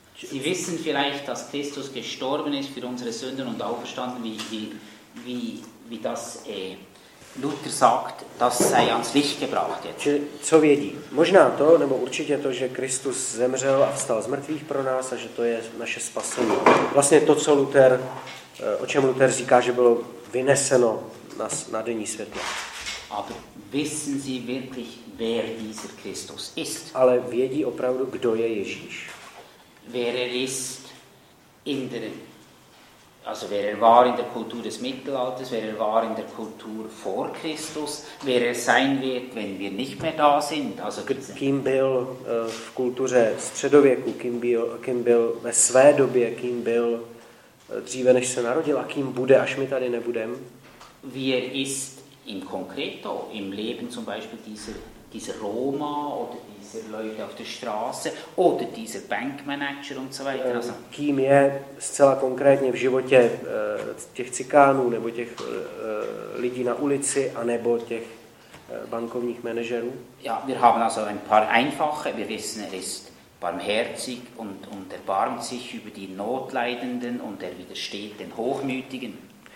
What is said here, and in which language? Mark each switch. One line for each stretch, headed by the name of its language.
German: Sie wissen vielleicht, dass Christus gestorben ist für unsere Sünden und auferstanden, wie das Luther sagt, das sei ans Licht gebracht jetzt.
Czech: Co vědí? Možná to, nebo určitě to, že Kristus zemřel a vstal z mrtvých pro nás a že to je naše spasení. Vlastně to, co Luther, o čem Luther říká, že bylo vyneseno na denní světlo.
German: Aber wissen Sie wirklich, wer dieser Christus ist?
Czech: Ale vědí opravdu, kdo je Ježíš.
German: Wer er ist in der, also wer er war in der Kultur des Mittelalters, wer er war in der Kultur vor Christus, wer er sein wird, wenn wir nicht mehr da sind. Also
Czech: kým byl v kultuře středověku, kým byl ve své době, kým byl dříve, než se narodil a kým bude, až my tady nebudem.
German: Wie er ist im Konkreto, im Leben zum Beispiel dieser Roma oder dieser Leute auf der Straße oder dieser Bankmanager und so weiter.
Czech: Kým je zcela konkrétně v životě těch cikánů nebo těch lidí na ulici a nebo těch bankovních manažerů?
German: Ja, wir haben also ein paar einfache, wir wissen, er ist barmherzig und erbarmt sich über die Notleidenden und er widersteht den Hochmütigen.